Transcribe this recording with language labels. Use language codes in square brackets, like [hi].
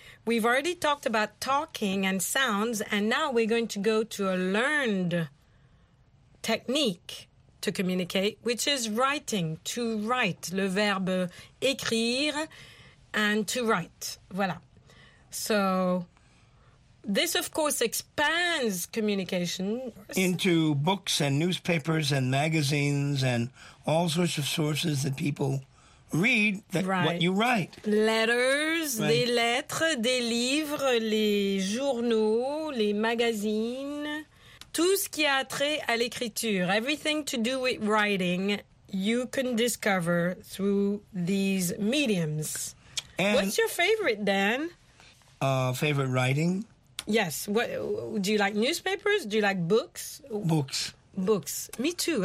[en] We've already talked about talking and sounds, and now we're going to go to a learned technique to communicate, which is writing, to write, [fr] le verbe écrire, [en] and to write. Voilà. So this, of course, expands communication into books and newspapers and magazines and all sorts of sources that people read that what you write. Letters, right. [fr] Des lettres, des livres, les journaux, les magazines. Tout ce qui a trait à l'écriture. [en] Everything to do with writing, you can discover through these mediums. And what's your favorite, Dan? Favorite writing? Yes. What, do you like newspapers? Do you like books? Books. Books. Me too.